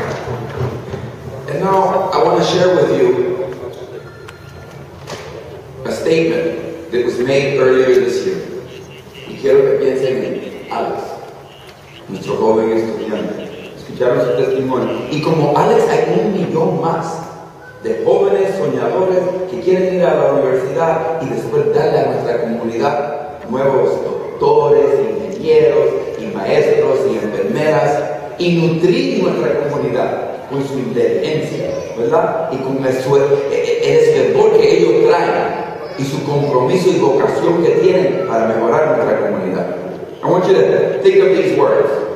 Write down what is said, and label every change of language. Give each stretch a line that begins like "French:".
English: And now I want to share with you a statement that was made earlier this year.
Spanish: Y quiero que piensen en Alex, nuestro joven estudiante. Escucharon su testimonio. Y como Alex, hay 1,000,000 más de jóvenes soñadores que quieren ir a la universidad y después darle a nuestra comunidad nuevos doctores, ingenieros, y maestros, y enfermeras, y nutrir nuestra comunidad con su inteligencia, ¿verdad? Y con el fervor que ellos traen y su compromiso y vocación que tienen para mejorar nuestra comunidad.
English: I want you to think of these words.